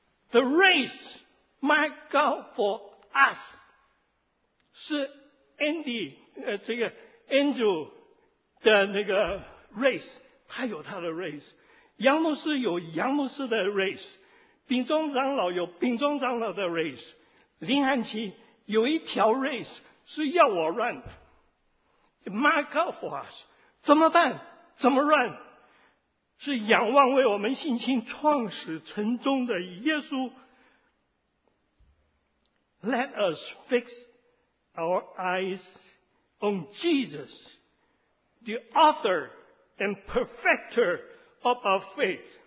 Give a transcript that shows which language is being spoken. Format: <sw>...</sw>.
<en>The race marked out for us</en> <zh>是 Andy 这个 Andrew 的那个 race， 他有他的 race， 杨牧师有杨牧师的 race，秉忠长老有秉忠长老的 race， 林汉奇有一条 race 是要我 run 的。</zh> <en>Mark out for us</en> <zh>怎么办？怎么 run？是仰望为我们信心创始成终的耶稣。</zh> <en>Let us fix our eyes on Jesus the author and perfecter of our faith。</en>